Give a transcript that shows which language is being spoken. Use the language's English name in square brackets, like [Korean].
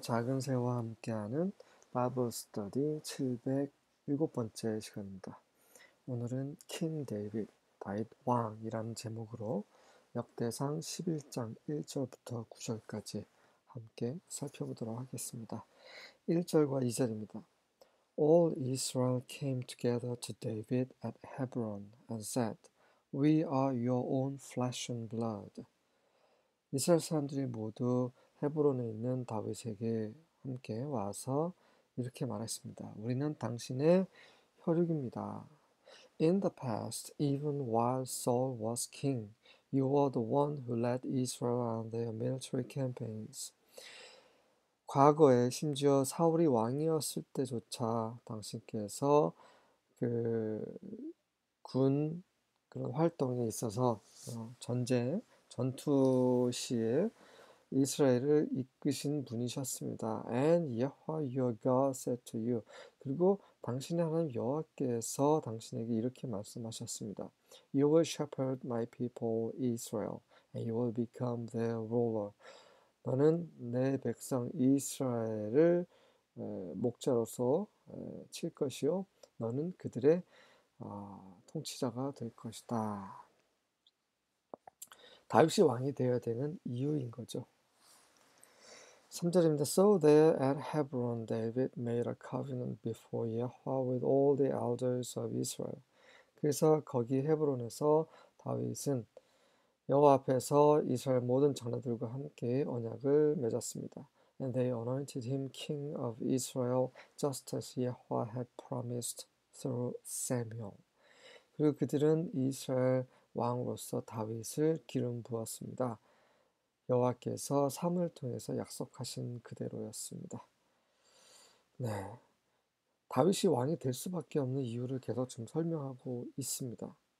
[Korean] 작은 새와 함께하는 바블 스터디 707번째 시간입니다. 오늘은 킹 데이빗 다윗 왕이라는 제목으로 역대상 11장 1절부터 9절까지 함께 살펴보도록 하겠습니다. 1절과 2절입니다. [English] All Israel came together to David at Hebron and said, We are your own flesh and blood. [Korean] 이스라엘 사람들이 모두 헤브론에 있는 다윗에게 함께 와서 이렇게 말했습니다. 우리는 당신의 혈육입니다. [English] In the past, even while Saul was king, you were the one who led Israel on their military campaigns. [Korean] 과거에 심지어 사울이 왕이었을 때조차 당신께서 그런 활동에 있어서 전투 시에 이스라엘을 이끄신 분이셨습니다. [English] And Yahweh your God said to you. [Korean] 그리고 당신의 하나님 여호와께서 당신에게 이렇게 말씀하셨습니다. [English] You will shepherd my people Israel, and you will become their ruler. [Korean] 너는 내 백성 이스라엘을 목자로서 칠 것이요. 너는 그들의 통치자가 될 것이다. 다윗이 왕이 되어야 되는 이유인 거죠. 3절입니다. [English] So there at Hebron, David made a covenant before Yahweh with all the elders of Israel. [Korean] 그래서 거기 헤브론에서 다윗은 여호와 앞에서 이스라엘 모든 장로들과 함께 언약을 맺었습니다. [English] And they anointed him king of Israel, just as Yahweh had promised through Samuel. [Korean] 그리고 그들은 이스라엘 왕으로서 다윗을 기름 부었습니다. 여호와께서 사무엘을 통해서 약속하신 그대로였습니다. 네, 다윗이 왕이 될 수밖에 없는 이유를 계속 좀 설명하고 있습니다.